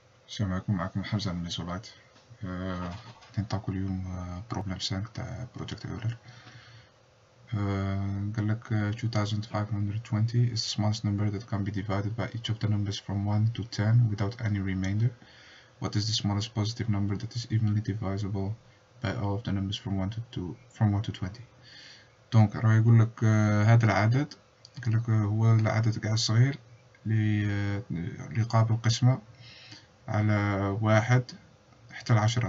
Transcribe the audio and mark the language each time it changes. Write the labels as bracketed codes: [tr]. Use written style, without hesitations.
[ar] سمعكم معكم حمزة من ليزولايت. كنت كل يوم بروبلم سانك تاع بروجكت ايولر. قال لك [en] 2520 is the smallest number that can be divided by each of the numbers from 1 to 10 without any remainder. What is the smallest positive number that is evenly divisible by all of the numbers from 1 to 2, from 1 to 20. [ar] دونك راه يقول لك هذا العدد, قال لك هو العدد كاع الصغير اللي قابل القسمة على واحد حتى العشرة.